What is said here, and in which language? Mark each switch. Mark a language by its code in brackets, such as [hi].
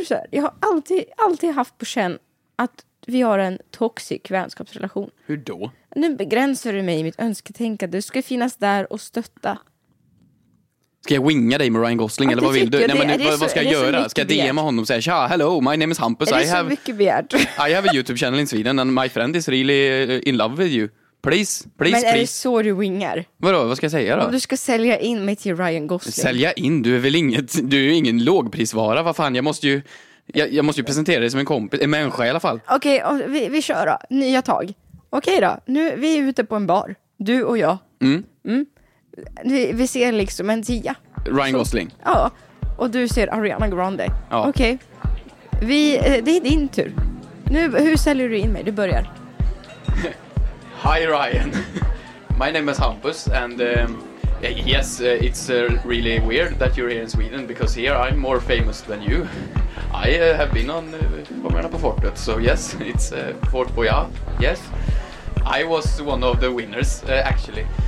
[sv] Jag har alltid haft på känn att vi har en toxic vänskapsrelation. Hur då? Nu begränsar du mig i mitt önsketänkande. Du ska finnas där och stötta. Ska jag winga dig med Ryan Gosling, ja, eller vad vill du? Nej, men vad ska jag göra? Ska jag DM honom och säga tja, [en] hello, my name is Hampus. [sv] Är det så mycket begärt? [en] I have a YouTube channel in Sweden and my friend is really in love with you. Please, please, [sv] men [en] please. [sv] Men är det så du wingar? Vadå, vad ska jag säga då? Om du ska sälja in mig till Ryan Gosling. Sälja in? Du är väl inget, du är ingen lågprisvara. Vad fan, jag måste ju, jag måste ju presentera dig som en kompis, en människa i alla fall. Okej, okay, vi kör då, nya tag. Okej okay, då, nu, vi är ute på en bar. Du och jag. Mm. Mm. Vi ser liksom en tia. Ryan Gosling. Ja. Och du ser Ariana Grande. Ja. Okej. Okay. Det är din tur. Nu, hur säljer du in mig? Du börjar. [en] Hi Ryan. My name is Hampus and yes, it's really weird that you're here in Sweden because here I'm more famous than you. I have been on [sv] på fortet. [en] So yes, it's Fort Boyard. Yes. I was one of the winners actually.